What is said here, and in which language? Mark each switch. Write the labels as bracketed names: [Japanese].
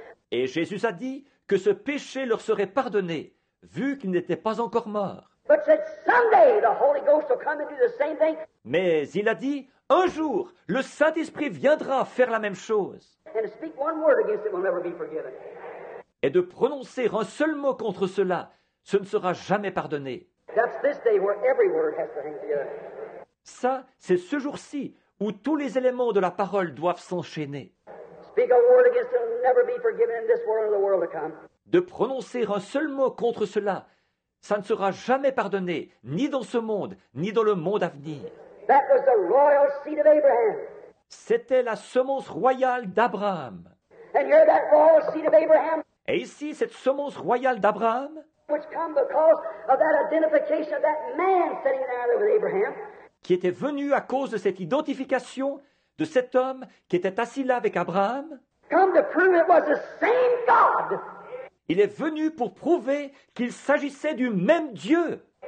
[French] Et Jésus a dit que ce péché leur serait pardonné, vu qu'ils n'étaient pas encore morts. [English] But said, someday the Holy Ghost will come and do the same thing. [French] Mais il a dit, un jour, le Saint-Esprit viendra faire la même chose. [English] And to speak one word against it will never be forgiven. [French] Et de prononcer un seul mot contre cela, ce ne sera jamais pardonné. [English] That's this day where every word has to hang together. [French] Ça, c'est ce jour-ci où tous les éléments de la parole doivent s'enchaîner. [English] Speak a word against it will never be forgiven in this world or the world to come. [French] De prononcer un seul mot contre cela, ça ne sera jamais pardonné, ni dans ce monde, ni dans le monde à venir. [English] That was the royal seed of Abraham. [French] C'était la semence royale d'Abraham. [English] And here that royal seed of Abraham. [French] Et ici, cette semence royale d'Abraham, [English] which come because of that identification of that man sitting there with Abraham, [French] qui était venue à cause de cette identification de cet homme qui était assis là avec Abraham, [English] come to prove it was the same God. [French] Il est venu pour prouver qu'il s'agissait du même Dieu.